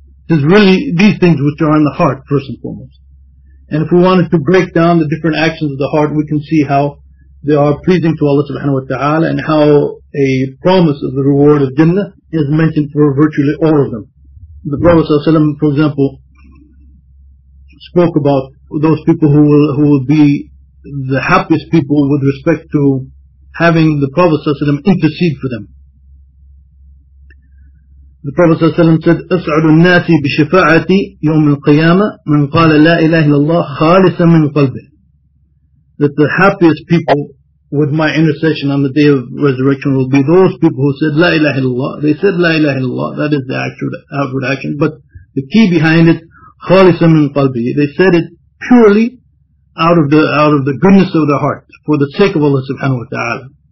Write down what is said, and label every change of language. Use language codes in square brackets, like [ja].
[en] It is really these things which are in the heart, first and foremost. And if we wanted to break down the different actions of the heart, we can see how they are pleasing to Allah subhanahu wa ta'ala and how a promise of the reward of Jannah is mentioned for virtually all of them. The Prophet, for example, spoke about those people who will be the happiest people with respect to having the Prophet ﷺ intercede for them. [ar] The Prophet ﷺ said, أسعد الناس بشفاعتي يوم القيامة من قال لا إله إلا الله خالصا من قلبه. [en] That the happiest people with my intercession on the day of resurrection will be those people who said La ilaha illallah. They said La ilaha illallah. That is the actual outward action. But the key behind it, خالصا من قلبي. They said it purely out of the goodness of their heart for the sake of Allah subhanahu wa ta'ala.